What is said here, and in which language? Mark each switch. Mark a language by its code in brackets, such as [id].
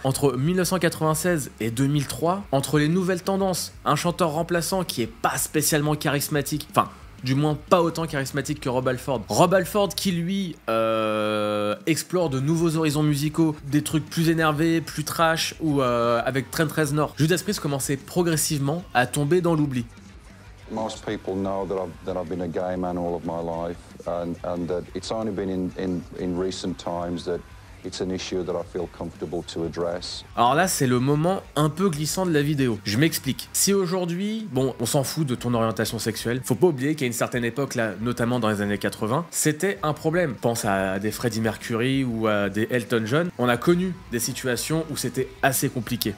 [fr] Entre 1996 et 2003, entre les nouvelles tendances, un chanteur remplaçant qui est pas spécialement charismatique, enfin, du moins pas autant charismatique que Rob Halford. Rob Halford qui, lui, explore de nouveaux horizons musicaux, des trucs plus énervés, plus trash, ou avec Trent Reznor. Judas Priest commençait progressivement à tomber dans l'oubli. [en] Most people know that I've been a gay man all of my life, and that it's only been in recent times that... It's an issue that I feel comfortable to address. [fr] Alors là, c'est le moment un peu glissant de la vidéo. Je m'explique. Si aujourd'hui, bon, on s'en fout de ton orientation sexuelle, faut pas oublier qu'à une certaine époque, là, notamment dans les années 80, c'était un problème. Pense à des Freddie Mercury ou à des Elton John. On a connu des situations où c'était assez compliqué.